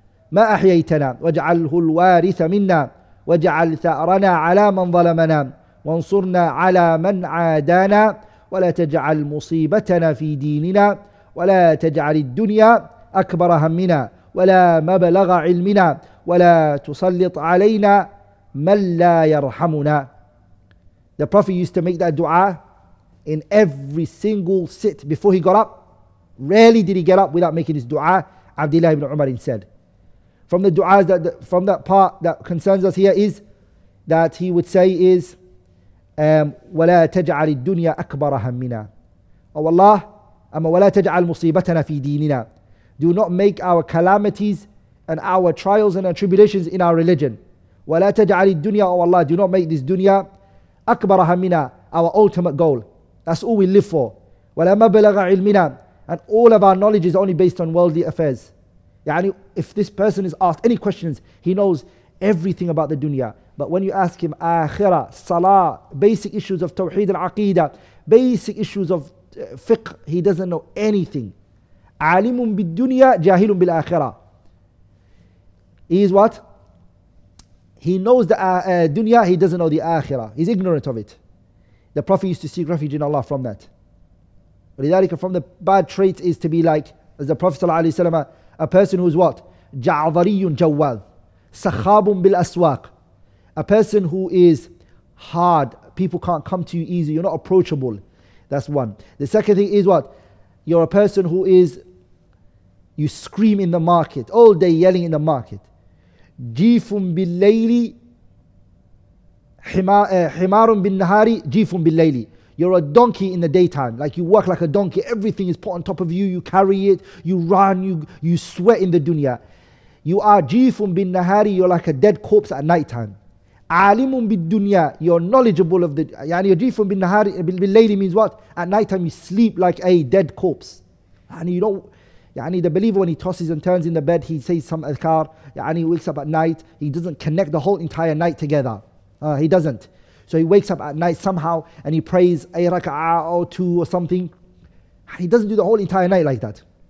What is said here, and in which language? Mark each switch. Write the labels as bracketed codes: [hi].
[ar] ما أحييتنا واجعله الوارث منا واجعل ثأرنا على من ظلمنا وانصرنا على من عادانا ولا تجعل مصيبتنا في ديننا ولا تجعل الدنيا أكبر همنا ولا مبلغ علمنا ولا تسلط علينا من لا يرحمنا. [en] The Prophet used to make that dua in every single sit before he got up. Rarely did he get up without making his dua, Abdullah ibn Umar said. From the duas that from that part that concerns us here is that he would say is [ar] وَلَا تَجْعَلِ الدُّنْيَا أَكْبَرَ هَمِّنَا. [en] Oh Allah, [ar] أَمَّا وَلَا تَجْعَلْ مُصِيبَتَنَا فِي دِينِنَا. [en] Do not make our calamities and our trials and our tribulations in our religion. [ar] وَلَا تَجْعَلِ الدُّنْيَا. [en] Oh Allah, do not make this dunya [ar] أكبر همنا, [en] our ultimate goal. That's all we live for. [ar] ولا مبلغ علمنا, [en] and all of our knowledge is only based on worldly affairs. يعني if this person is asked any questions, he knows everything about the dunya. But when you ask him آخرة, salah, basic issues of [ar] توحيد العقيدة, [en] basic issues of fiqh, he doesn't know anything. [ar] عالم بالدنيا جاهل بالآخرة. [en] He is what? He knows the dunya, he doesn't know the akhirah. He's ignorant of it. The Prophet used to seek refuge in Allah from that. وَلِذَلِكَ, from the bad traits is to be like, as the Prophet ﷺ, a person who is what? [ar] جَعْضَرِيٌّ جَوَّال سَخَابٌ بِالْأَسْوَاقِ. [en] A person who is hard. People can't come to you easy. You're not approachable. That's one. The second thing is what? You're a person who is, you scream in the market, all day yelling in the market. [ar] جيفٌ بالليلي حمارٌ بالنهاري جيفٌ بالليلي. [en] You're a donkey in the daytime. Like you work like a donkey. Everything is put on top of you. You carry it. You run. You sweat in the dunya. You are [ar] جيفٌ بالنهاري. [en] You're like a dead corpse at nighttime. [ar] عالمٌ بالدنيا. [en] You're knowledgeable of the. [ar] يعني جيفٌ بالنهاري بالليلي [en] means what? At nighttime you sleep like a dead corpse. And you don't. يعني the believer, when he tosses and turns in the bed, he says some adhkar. يعني he wakes up at night. He doesn't connect the whole entire night together. He doesn't. So he wakes up at night somehow and he prays a raka'ah or two or something. He doesn't do the whole entire night like that.